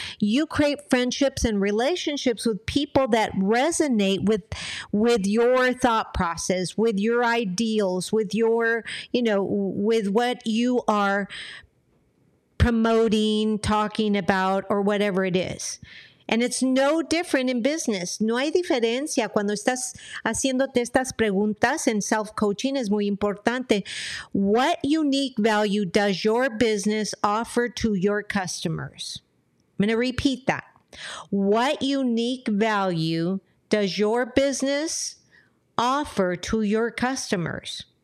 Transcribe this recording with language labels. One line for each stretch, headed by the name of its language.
English: You create friendships and relationships with people that resonate with your thought process, with your ideals, with your, you know, with what you are promoting, talking about, or whatever it is. And it's no different in business.
Spanish: No hay diferencia cuando estás haciéndote estas preguntas en self-coaching. Es muy importante.
English: What unique value does your business offer to your customers? I'm going to repeat that. What unique value does your business offer to your customers?